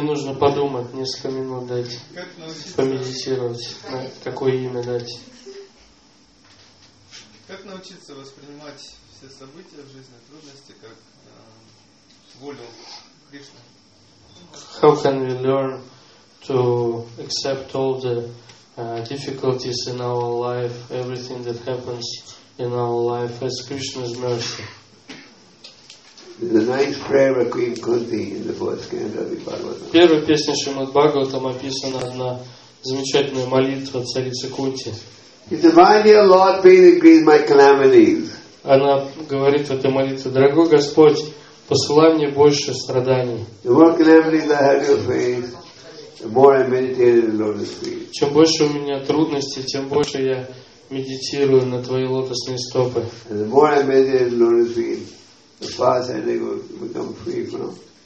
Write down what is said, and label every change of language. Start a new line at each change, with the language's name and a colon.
Russian: нужно подумать, несколько минут дать, помедитировать, на какое имя дать. Как научиться воспринимать все события в жизни, трудности, как волю Кришны?
English: How can we learn to accept all the difficulties in our life, everything that happens in our life as Krishna's mercy? The ninth prayer of Queen Kunti in the fourth canto of the Bhagavatam.
Russian: В первой песне Шримад Бхагаватам описана одна замечательная молитва царицы Кунти.
English: Divine dear Lord, please increase my calamities.
Russian: Она говорит в этой молитве: «Дорогой Господь, посылай мне больше страданий».
English: The more calamities I have your face, the more I meditate in the lotus feet.
Russian: Чем больше у меня трудностей, тем больше я медитирую на твои лотосные стопы.
English: And the more I meditate in the lotus feet, the faster I become free from